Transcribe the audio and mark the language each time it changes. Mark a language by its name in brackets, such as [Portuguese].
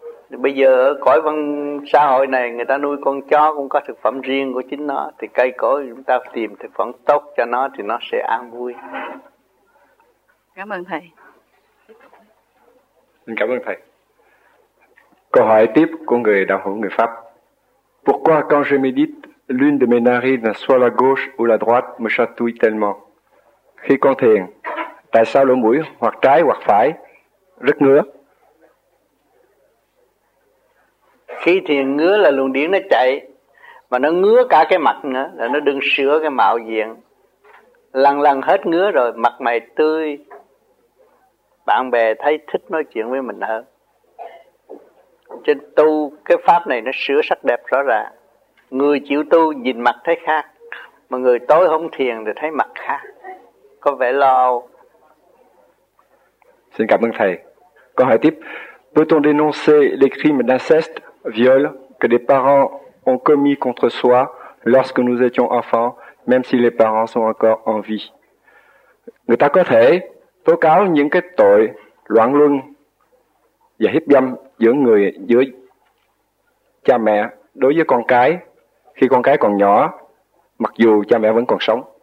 [Vietnamese] Bây giờ ở cõi văn xã hội này, người ta nuôi con chó cũng có thực phẩm riêng của chính nó. Thì cây cối chúng ta tìm thực phẩm tốt cho nó thì nó sẽ an vui. Cảm ơn Thầy. Cảm ơn Thầy. Câu hỏi tiếp của người đạo hữu người Pháp. [French] Pourquoi quand je médite, l'une de mes narines, soit la gauche ou la droite, me chatouille tellement? [Vietnamese] Khi con thiền, tại sao lỗ mũi hoặc trái hoặc phải rất ngứa? Khi thiền ngứa là luồng điển nó chạy, mà nó ngứa cả cái mặt nữa, là nó đừng sửa cái mạo diện. Lần lần hết ngứa rồi, mặt mày tươi, bạn bè thấy thích nói chuyện với mình hơn. Trên tu cái pháp này nó sửa sắc đẹp rõ ràng. Người chịu tu nhìn mặt thấy khác, mà người tối không thiền thì thấy mặt khác, có vẻ lo âu. Xin cảm ơn Thầy. Câu hỏi tiếp. [French] Peut-on dénoncer les crimes d'inceste, viol, que des parents ont commis contre soi lorsque nous étions enfants, même si les parents sont encore en vie? [Vietnamese] Người ta có thể tố cáo những cái tội loạn luân và hiếp dâm giữa người, giữa cha mẹ đối với con cái khi con cái còn nhỏ, mặc dù cha mẹ vẫn còn sống.